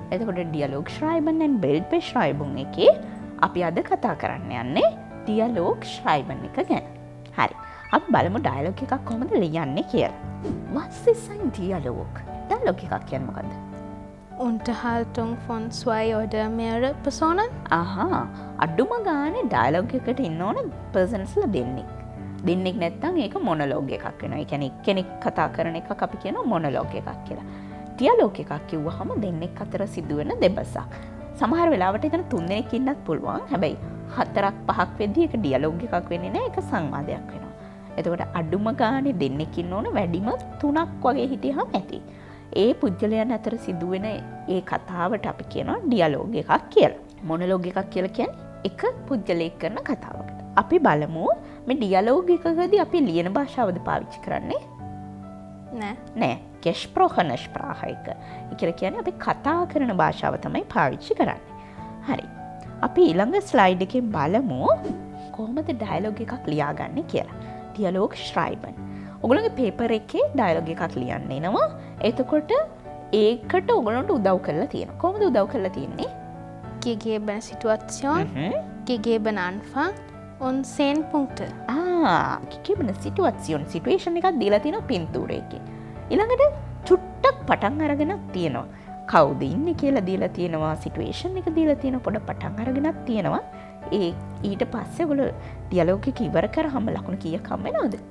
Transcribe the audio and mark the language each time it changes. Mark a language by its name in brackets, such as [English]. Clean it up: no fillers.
[Sinhala] එතකොට dialogue ශ්‍රයිබන් and build බෙශ්‍රයිබන් එකේ අපි අද කතා කරන්න යන්නේ ඩයලොග් ශ්‍රයිබන් එක ගැන. හරි. අපි බලමු ඩයලොග් එකක් කොහොමද ලියන්නේ කියලා. [English] What's this in dialogue? [Sinhala] Dialogue එකක් කියන්නේ මොකද්ද? [German] Unterhaltung von zwei oder mehr Personen? Aha. [Sinhala] අඩුම ගානේ ඩයලොග් එකට ඉන්න ඕන persons ලා දෙන්නේ. දෙන්නේ නැත්නම් ඒක monologue එකක් වෙනවා. ඒ කියන්නේ එක්කෙනෙක් කතා කරන එකක් අපි කියනවා monologue එකක් කියලා. ඩයලොග් එකක් කිව්වහම දෙන්නෙක් අතර සිදුවෙන දෙබසක්. සමහර වෙලාවට ඉතන තුන් දෙනෙක් ඉන්නත් පුළුවන්. හැබැයි හතරක් පහක් වෙද්දී ඒක ඩයලොග් එකක් වෙන්නේ නැහැ. ඒක සංවාදයක් වෙනවා. එතකොට අඩුම ගානේ දෙන්නෙක් ඉන්න ඕන වැඩිම තුනක් වගේ හිටියහම ඇති. ඒ පුද්ගලයන් අතර සිදුවෙන ඒ කතාවට අපි කියනවා ඩයලොග් එකක් කියලා. මොනොලොග් එකක් කියලා කියන්නේ එක පුද්ගලයෙක් කරන කතාවකට. අපි බලමු මේ ඩයලොග් එකකදී අපි ලියන භාෂාවද පාවිච්චි කරන්නේ? නෑ. [German] gesprochene Sprache එක. [Sinhala] ඒ කියල කියන්නේ අපි කතා කරන භාෂාව තමයි පාවිච්චි කරන්නේ. හරි. අපි ඊළඟ ස්ලයිඩ් එකෙන් බලමු කොහොමද ඩයලොග් එකක් ලියාගන්නේ කියලා. ඩයලොග් ශ්‍රයිබන්. ඔගොල්ලෝගේ පේපර් එකේ ඩයලොග් එකක් ලියන්න එනවා. එතකොට ඒකට ඔගොල්ලන්ට උදව් කරලා තියෙනවා. කොහොමද උදව් කරලා තියෙන්නේ? [German] gegeben Situation, gegeben Anfang und 10 Punkte. [Sinhala] gegeben Situation, situation එකක් දීලා තියෙනවා පින්තූරයකින්. ඊළඟට චුට්ටක් පටන් අරගෙන තියෙනවා කවුද ඉන්නේ කියලා දීලා තියෙනවා සිට්යුේෂන් එක දීලා තියෙනවා පොඩ පටන් අරගෙන තියෙනවා ඒ ඊට පස්සේ ඔගොල්ලෝ ඩයලොග් එක ඉවර කරාම ලකුණු කීයක් හම් වෙනවද